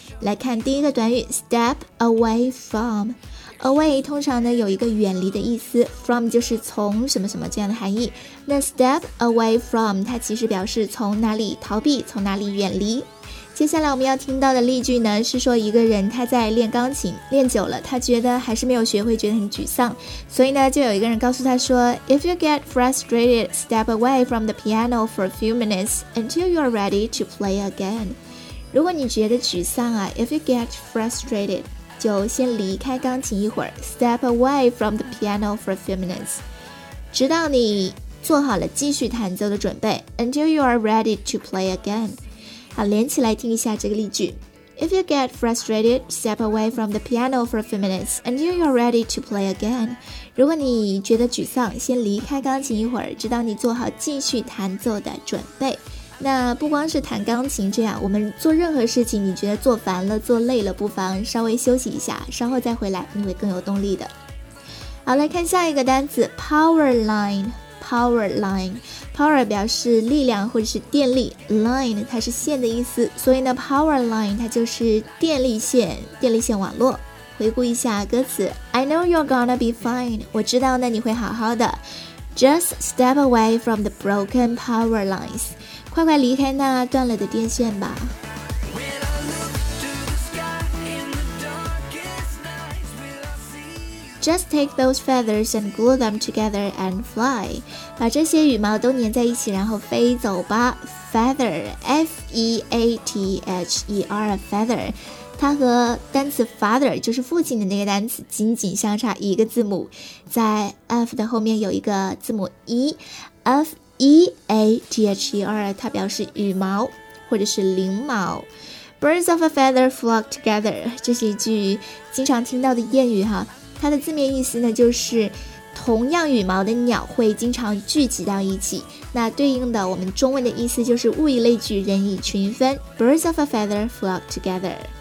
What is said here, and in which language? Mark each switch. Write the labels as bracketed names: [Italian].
[Chinese] 来看第一个短语 ，step away from。Away 通常呢有一个远离的意思 ，from 就是从什么什么这样的含义。那 step away from 它其实表示从哪里逃避，从哪里远离。接下来我们要听到的例句呢，是说一个人他在练钢琴，练久了，他觉得还是没有学会，觉得很沮丧。所以呢，就有一个人告诉他说 [English] ，If you get frustrated, step away from the piano for a few minutes until you are ready to play again. [Chinese] 如果你觉得沮丧啊 ， [English] If you get frustrated. [Chinese] 就先离开钢琴一会儿 ， [English] step away from the piano for a few minutes， [Chinese] 直到你做好了继续弹奏的准备 ， [English] until you are ready to play again。 [Chinese] 好，连起来听一下这个例句 [English] ：If you get frustrated, step away from the piano for a few minutes until you are ready to play again。 [Chinese] 如果你觉得沮丧，先离开钢琴一会儿，直到你做好继续弹奏的准备。那不光是弹钢琴这样，我们做任何事情，你觉得做烦了、做累了，不妨稍微休息一下，稍后再回来，你会更有动力的。好，来看下一个单词 ，power line。power line， power 表示力量或者是电力 ，line 它是线的意思，所以呢 ，power line 它就是电力线、电力线网络。回顾一下歌词 [English] ，I know you're gonna be fine， [Chinese] 我知道呢你会好好的 [English] ，just step away from the broken power lines。 [Chinese] 快快离开那断了的电线吧。 [English] Just take those feathers and glue them together and fly. [Chinese] 把这些羽毛都粘在一起然后飞走吧。 [English] Feather, F-E-A-T-H-E-R, feather. [Chinese] 它和单词 father, 就是父亲的那个单词仅仅相差一个字母。在 F 的后面有一个字母 E, F-E-A-T-H-E-R 它表示羽毛或者是翎毛 [English] Birds of a feather flock together [Chinese] 这是一句经常听到的谚语哈它的字面意思呢就是同样羽毛的鸟会经常聚集到一起那对应的我们中文的意思就是物以类聚人以群分 Birds of a feather flock together